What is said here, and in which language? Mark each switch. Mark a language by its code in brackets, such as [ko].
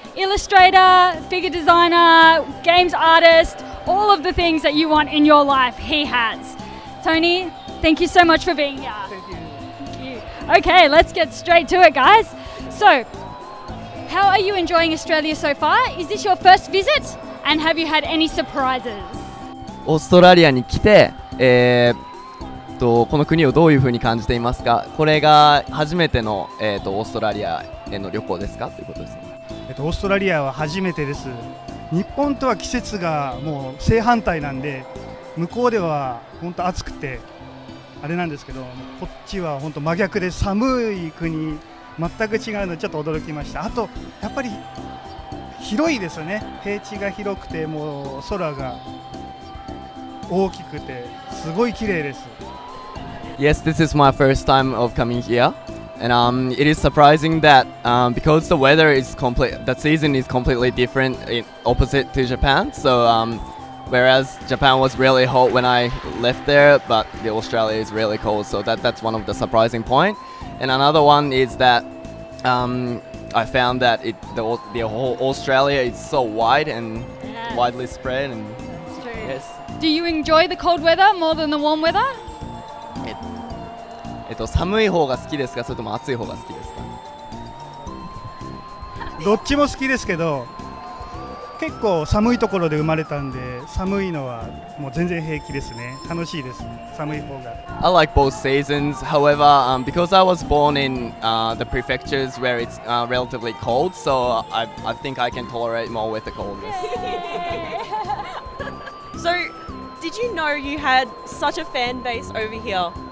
[en] Illustrator, figure designer, games artist, all of the things that you want in your life, he has. Tony, thank you so much for being here. Okay, let's get straight to it, guys. So, how are you enjoying Australia so far? Is this your first visit? And have you had any surprises? [ja] オーストラリアに来て、この国をどういうふうに感じていますか？これが初めての、オーストラリアへの旅行ですか？ということです。オーストラリアは初めてです。日本とは季節がもう正反対なんで、向こうでは本当暑くて、あれなんですけど、こっちは本当真逆で寒い国、全く違うのでちょっと驚きました。あとやっぱり広いですよね。平地が広くて、もう空が大きくて、すごい綺麗です。 [en] Yes, this is my first time of coming here. And it is surprising that because the weather is complete, the season is completely different, opposite to Japan. So, whereas Japan was really hot when I left there, but the Australia is really cold, so that's one of the surprising points. And another one is that I found that the whole Australia is so wide and yes. widely spread. And that's true. Yes. Do you enjoy the cold weather more than the warm weather? [ja] 寒い方が好きですか、それとも暑い方が好きですか？どっちも好きですけど、結構寒いところで生まれたんで、寒いのはもう全然平気ですね。楽しいです。寒い方が。 [en] I like both seasons. However, because I was born in the prefectures where it's relatively cold, so I think I can tolerate more with the coldness. So, did you know you had such a fan base over here?